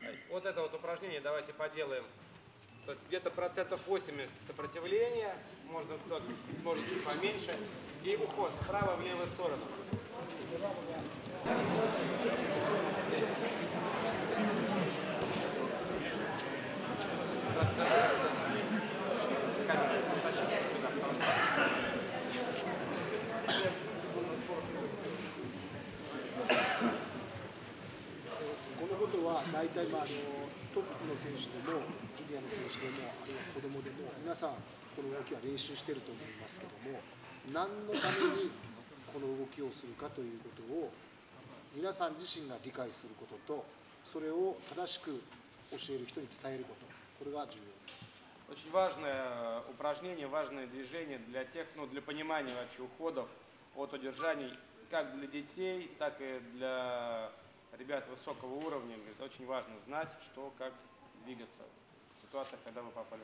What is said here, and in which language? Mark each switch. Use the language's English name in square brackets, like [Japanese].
[Russian] Вот это вот упражнение давайте поделаем. То есть где-то 80% сопротивления, можно может чуть поменьше, и уход вправо в левую сторону. [Japanese] このことは大体まあトップの選手でもジュニアの選手でもあるいは子どもでも皆さんこの動きは練習していると思いますけども何のためにこの動きをするかということを皆さん自身が理解することとそれを正しく教える人に伝えることこれが重要です。 [Russian] Очень важное упражнение, важное движение для тех, ну, для понимания вообще уходов от удержаний как для детей, так и для ребят высокого уровня. Это очень важно знать, что, как двигаться в ситуациях, когда вы попали в